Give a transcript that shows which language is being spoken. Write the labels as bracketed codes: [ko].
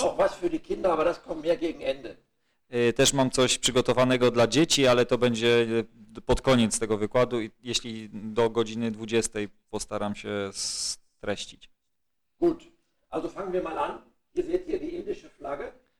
[de] Auch was für die Kinder, aber das kommt mehr gegen Ende. [pl] Też mam coś przygotowanego dla dzieci, ale to będzie pod koniec tego wykładu, jeśli do godziny 20 postaram się streścić. [de] Gut, also fangen wir mal an. Hier seht ihr die indische Flagge.